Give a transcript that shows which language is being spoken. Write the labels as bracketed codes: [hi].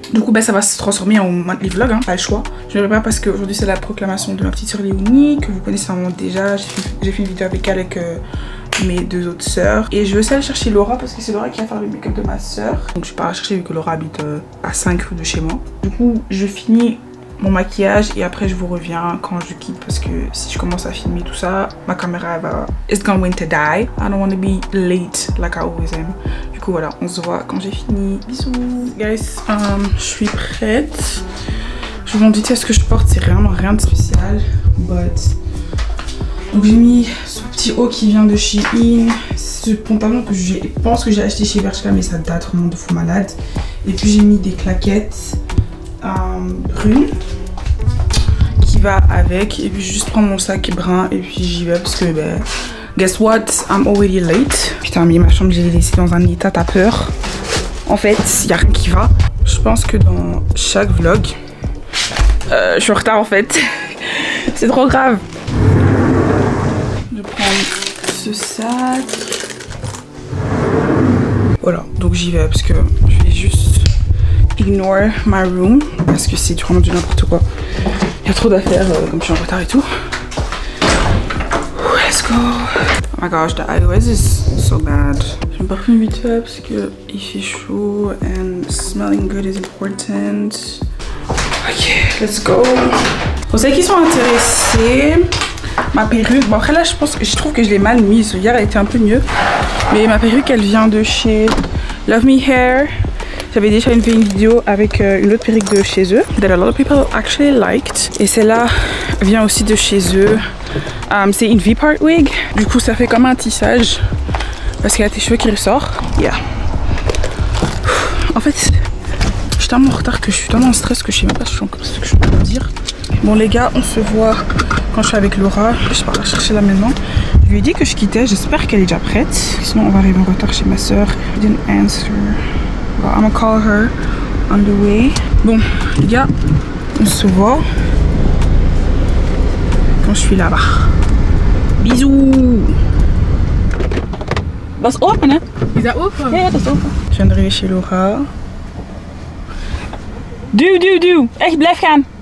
[fr] Du coup, ça va se transformer en monthly vlog, hein, pas le choix. Je ne vais pas parce qu'aujourd'hui, c'est la proclamation de ma petite sœur Léonie que vous connaissez vraiment déjà. J'ai fait une vidéo avec elle et que. Mes deux autres sœurs. Et je veux aller chercher Laura parce que c'est Laura qui va faire le make-up de ma sœur. Donc je pars la chercher vu que Laura habite à 5 rues de chez moi. Du coup, je finis mon maquillage et après je vous reviens quand je quitte parce que si je commence à filmer tout ça, ma caméra va. [en] It's going to die. I don't want to be late like I always am. [fr] Du coup, voilà, on se voit quand j'ai fini. Bisous. Guys, je suis prête. Je vous en dis, ce que je porte, c'est vraiment rien de spécial. But. Donc j'ai mis ce petit haut qui vient de chez In, ce pantalon que je pense que j'ai acheté chez Bershka mais ça date vraiment de fou malade. Et puis j'ai mis des claquettes brunes qui va avec. Et puis juste prendre mon sac brun et puis j'y vais parce que [en] guess what, I'm already late. [fr] Putain mais ma chambre j'ai laissé dans un état, t'as peur. En fait il y a rien qui va. Je pense que dans chaque vlog, je suis en retard en fait. C'est trop grave. Ce sac, voilà, donc j'y vais parce que je vais juste [en] ignore my room [fr] parce que c'est vraiment du n'importe quoi. Il y a trop d'affaires comme je suis en retard et tout. [en] Let's go. Oh my gosh, the iOS is so bad. [fr] Je me parfume vite fait parce que il fait chaud [en] and smelling good is important. Ok, let's go. [fr] Pour ceux qui sont intéressés. Ma perruque, bon après là je trouve que je l'ai mal mise, hier elle était un peu mieux. Mais ma perruque elle vient de chez Love Me Hair. J'avais déjà fait une vidéo avec une autre perruque de chez eux. [en] That a lot of people actually liked. [fr] Et celle-là vient aussi de chez eux. C'est une V-part wig. Du coup ça fait comme un tissage. Parce qu'il y a tes cheveux qui ressortent. Yeah. En fait, je suis tellement en retard que je suis tellement en stress que je sais même pas ce que je peux vous dire. Bon les gars, on se voit. Quand je suis avec Laura, je pars la chercher là maintenant. Je lui ai dit que je quittais, j'espère qu'elle est déjà prête. Sinon on va arriver en retard chez ma soeur. [en] She didn't answer. Well, I'm gonna call her on the way. [fr] Bon, les gars, on se voit quand je suis là-bas. Bisous. [en] That's open, [fr] hein? [en] Is that open? Yeah, that's open. [fr] Je viens d'arriver chez Laura. Do. Hey, blijf gaan.